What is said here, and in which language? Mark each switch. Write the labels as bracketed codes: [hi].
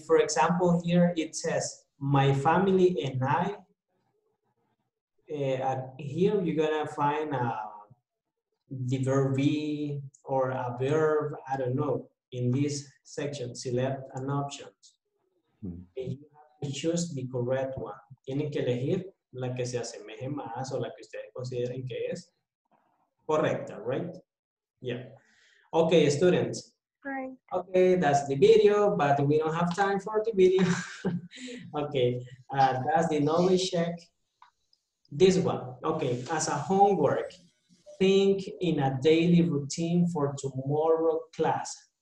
[en] For example, here it says, my family and I. Here you're going to find the verb be or a verb, I don't know, in this section. Select an option. Hmm. You have to choose the correct one. [es] Tienen que elegir la que se asemeje más o la que ustedes consideren que es. [en] Correcta, right? Yeah. Okay, students. Right. Okay, that's the video, but we don't have time for the video. Okay, that's the knowledge check. This one. Okay, as a homework, think in a daily routine for tomorrow class.